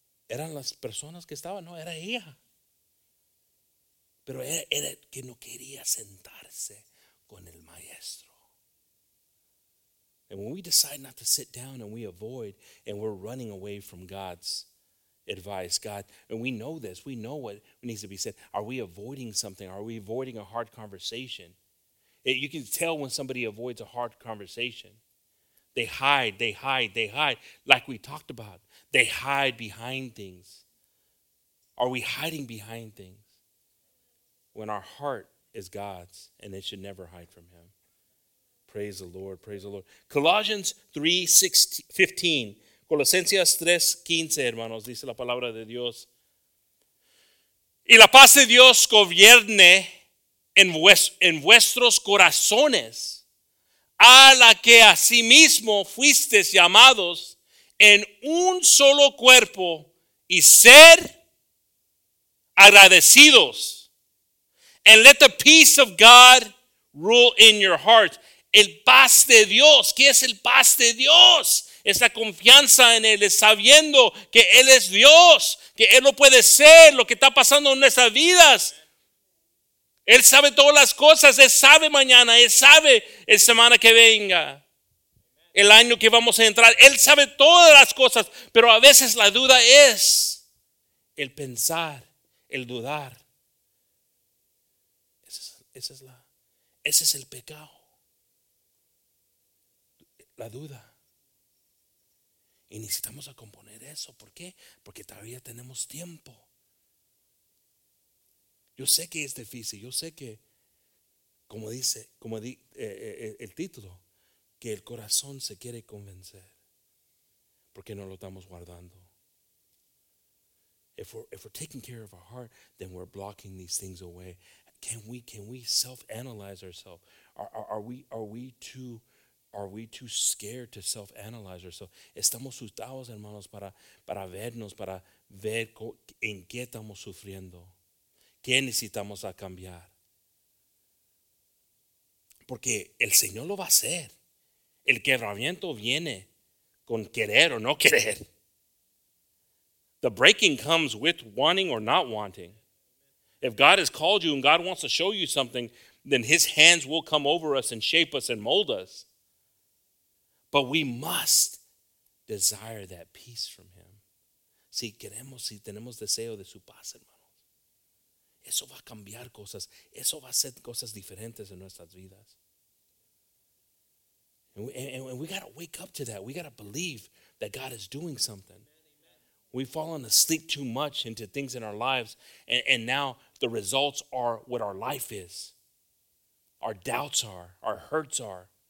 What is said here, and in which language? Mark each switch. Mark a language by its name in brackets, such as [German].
[Spanish] ¿Eran las personas que estaban? No, era ella. Pero era que no quería sentarse con el maestro. [English] And when we decide not to sit down and we avoid and we're running away from God's advice, God, and we know this, we know what needs to be said. Are we avoiding something? Are we avoiding a hard conversation? You can tell when somebody avoids a hard conversation. They hide, they hide, they hide, like we talked about. They hide behind things. Are we hiding behind things? When our heart is God's, and it should never hide from him. Praise the Lord, praise the Lord. Colossians 3:15. [Spanish] Colosenses 3:15, hermanos, dice la palabra de Dios. Y la paz de Dios gobierne en vuestros corazones, a la que asimismo fuisteis llamados en un solo cuerpo, y ser agradecidos. [English] And let the peace of God rule in your heart. [Spanish] El paz de Dios, ¿qué es el paz de Dios? Es la confianza en Él, es sabiendo que Él es Dios, que Él lo puede ser, lo que está pasando en nuestras vidas. Él sabe todas las cosas, Él sabe mañana, Él sabe la semana que venga, el año que vamos a entrar. Él sabe todas las cosas, pero a veces la duda es el pensar, el dudar. Ese es el pecado, la duda. Y necesitamos a componer eso. ¿Por qué? Porque todavía tenemos tiempo. Yo sé que es difícil. Yo sé que, como dice, como el título, que el corazón se quiere convencer. Porque no lo estamos guardando. [English] If we're taking care of our heart, then we're blocking these things away. Can we self-analyze ourselves? Are we too scared to self-analyze ourselves? [Spanish] Estamos asustados, hermanos, para vernos, para ver en qué estamos sufriendo. ¿Qué necesitamos a cambiar? Porque el Señor lo va a hacer. El quebramiento viene con querer o no querer. [English] The breaking comes with wanting or not wanting. If God has called you and God wants to show you something, then his hands will come over us and shape us and mold us. But we must desire that peace from him. [Spanish] Si queremos, si tenemos deseo de su paz, hermanos. Eso va a cambiar cosas. Eso va a hacer cosas diferentes en nuestras vidas. [English] And we got to wake up to that. We got to believe that God is doing something. Amen. We've fallen asleep too much into things in our lives. And now the results are what our life is. Our doubts are. Our hurts are.